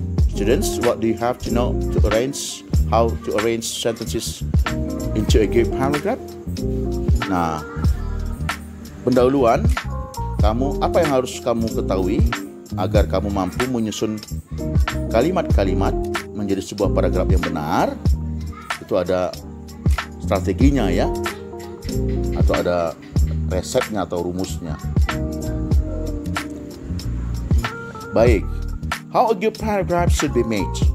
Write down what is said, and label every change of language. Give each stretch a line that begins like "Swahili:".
English: Students, what do you have to know to arrange, how to arrange sentences into a good paragraph?
Indonesian: Nah, pendahuluan, kamu apa yang harus kamu ketahui agar kamu mampu menyusun kalimat-kalimat menjadi sebuah paragraf yang benar? Itu ada strateginya ya, atau ada resepnya atau rumusnya. Baik,
English: how a good paragraph should be made.